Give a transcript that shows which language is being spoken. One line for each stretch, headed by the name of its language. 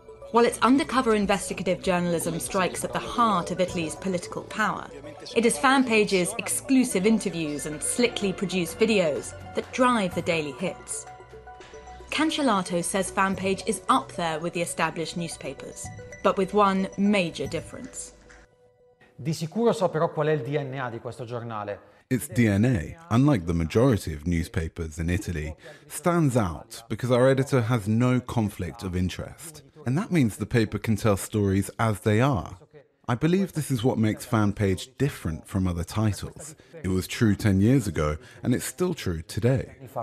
English: While its undercover investigative journalism strikes at the heart of Italy's political power, it is Fanpage's exclusive interviews and slickly produced videos that drive the daily hits. Cancellato says Fanpage is up there with the established newspapers, but with one major difference.
Italian: Di sicuro so però qual è il DNA di questo giornale.
English: Its DNA, unlike the majority of newspapers in Italy, stands out because our editor has no conflict of interest. And that means the paper can tell stories as they are. I believe this is what makes Fanpage different from other titles. It was true 10 years ago, and it's still true today.